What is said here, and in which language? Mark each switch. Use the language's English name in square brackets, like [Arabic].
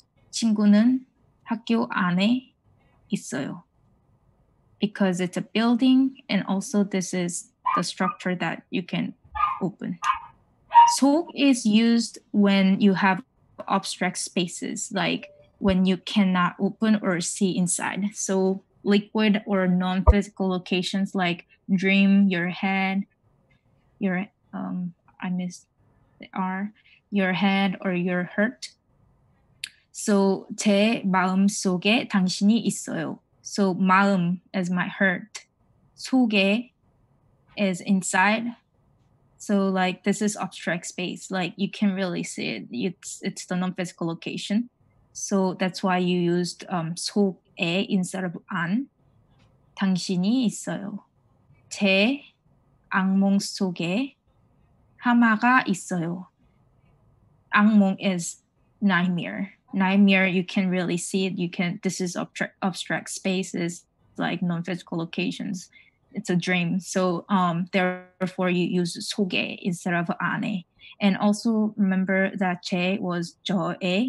[Korean] 친구는 학교 안에 있어요. [English] Because it's a building, and also this is the structure that you can open. 속 is used when you have abstract spaces, like when you cannot open or see inside. So liquid or non-physical locations like dream, your head, your, I missed the R, your head or your heart. So [Korean] 제 마음 속에 당신이 있어요. [English] So 마음 is my heart. 속에 is inside. So like this is abstract space. Like you can't really see it. It's the non-physical location. So that's why you used 속에 instead of 안. [Korean] 당신이 있어요. 제 악몽 속에 하마가 있어요. [English] 악몽 is nightmare. Nightmare, you can really see it. You can, this is abstract spaces, like non-physical locations. It's a dream. So therefore you use 속에 instead of 안에. And also remember that 제 was 저에.